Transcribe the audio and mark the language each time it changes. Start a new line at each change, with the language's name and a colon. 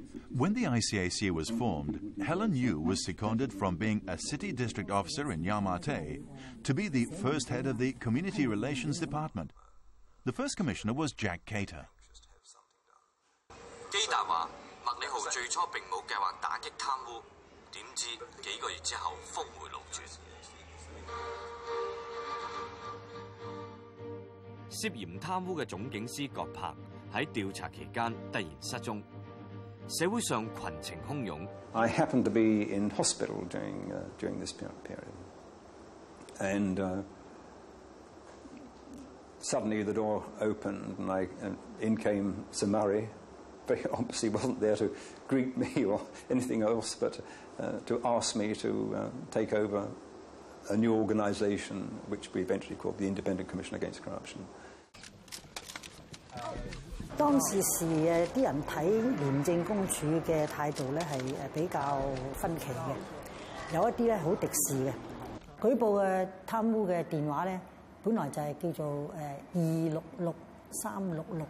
English: When the ICAC was formed, Helen Yu was seconded from being a city district officer in Ya Ma Tei to be the first head of the Community Relations Department. The first commissioner was Jack Cater.
Cantonese: Cater 話。麥理浩最初並冇計劃打擊貪污，點知幾個月之後峰迴路轉。涉嫌貪污嘅總警司郭柏喺調查期間突然失蹤，社會上群情洶湧。
English: I happened to be in hospital during during this period, and suddenly the door opened and in came Sir Murray. But he obviously wasn't there to greet me or anything else, but to ask me to take over a new organisation, which we eventually called the Independent Commission Against Corruption.
Cantonese: 當時時誒，啲人睇廉政公署嘅態度咧係比較分歧嘅，有一啲咧好敵視嘅。舉報嘅貪污嘅電話咧，本來就係叫做266366。